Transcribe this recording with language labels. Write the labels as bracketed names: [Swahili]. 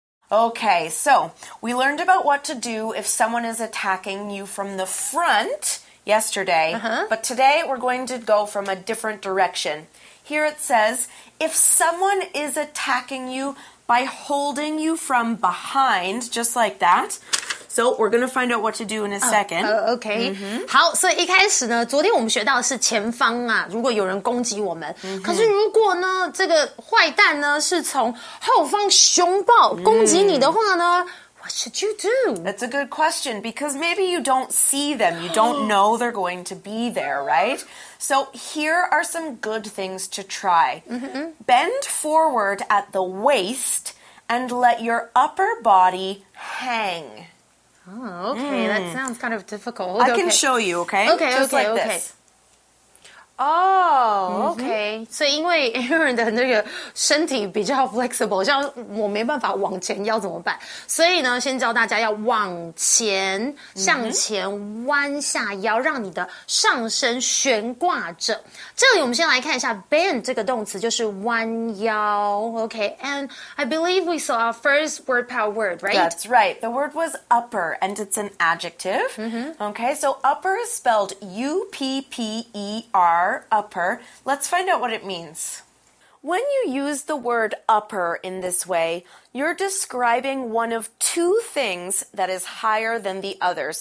[English] Okay, so we learned about what to do if someone is attacking you from the front yesterday, but today we're going to go from a different direction. Here it says, if someone is attacking you by holding you from behind, just like that... So, we're going to find out what to do in a second. Okay. Mm-hmm. [Chinese] 好,所以一开始呢,昨天我们学到的是前方啊,如果有人攻击我们。 Mm-hmm. 可是如果呢,这个坏蛋呢,是从后方熊抱攻击你的话呢, [English] What should you do? That's a good question, because maybe you don't see them. You don't know they're going to be there, right? So, here are some good things to try. Mm-hmm. Bend forward at the waist and let your upper body hang. Oh, okay, that sounds kind of difficult. I can show you, okay? Okay, just okay, like okay. this. [Chinese] OK，所以因为的那个身体比较 flexible， 像我没办法往前腰怎么办？所以呢，先教大家要往前向前弯下腰，让你的上身悬挂着。这里我们先来看一下 bend 这个动词，就是弯腰。 [English] OK，and、okay, I believe we saw our first word power word, right? That's right. The word was upper, and it's an adjective.、 Mm-hmm. Okay, so upper is spelled UPPER, upper. Let's find out what it means. When you use the word upper in this way, you're describing one of two things that is higher than the other.